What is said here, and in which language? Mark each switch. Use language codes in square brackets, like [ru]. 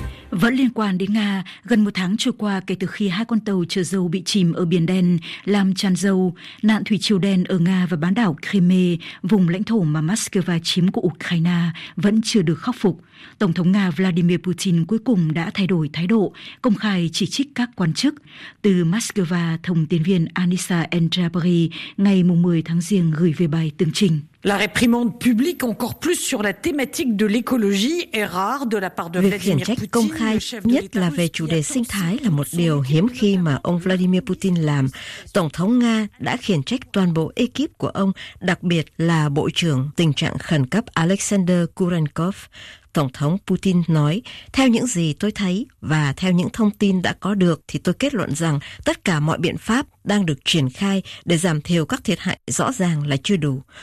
[vi] Vẫn liên quan đến Nga, gần một tháng trôi qua kể từ khi hai con tàu chở dầu bị chìm ở Biển Đen, làm tràn dầu, nạn thủy triều đen ở Nga và bán đảo Crimea, vùng lãnh thổ mà Moscow chiếm của Ukraine, vẫn chưa được khắc phục. Tổng thống Nga Vladimir Putin cuối cùng đã thay đổi thái độ, công khai chỉ trích các quan chức. Từ Moscow, thông tin viên Anissa Andrabari ngày 10 tháng Giêng gửi về bài tường trình. [fr] La réprimande publique encore plus sur la thématique de l'écologie est rare de la part de Vladimir Putin. [vi] Việc khiển trách công khai nhất là về chủ đề sinh thái là một điều hiếm khi mà ông Vladimir Putin làm. Tổng thống Nga đã khiển trách toàn bộ ekip của ông, đặc biệt là Bộ trưởng Tình trạng Khẩn cấp Alexander Kurenkov. Tổng thống Putin nói, theo những gì tôi thấy và theo những thông tin đã có được thì tôi kết luận rằng tất cả mọi biện pháp đang được triển khai để giảm thiểu các thiệt hại rõ ràng là chưa đủ.